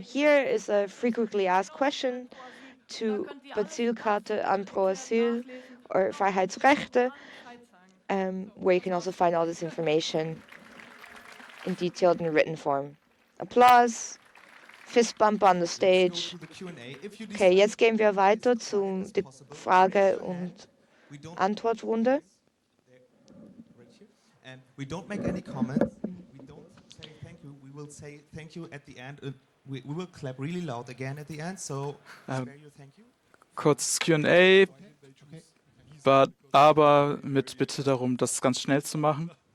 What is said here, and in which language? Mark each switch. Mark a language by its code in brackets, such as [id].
[en] Here is a frequently asked question to Bezugskarte an Pro Asyl or Freiheitsrechte, where you can also find all this information in detailed and written form. Applause. Fist bump on the stage. [de] Okay, jetzt gehen wir weiter zu der Frage und Antwortrunde. [en] We don't make any comments. We don't say thank you. We will say thank you at the end. We will clap really loud again at the end. So, [de] kurzes Q&A, aber mit Bitte darum, das ganz schnell zu machen.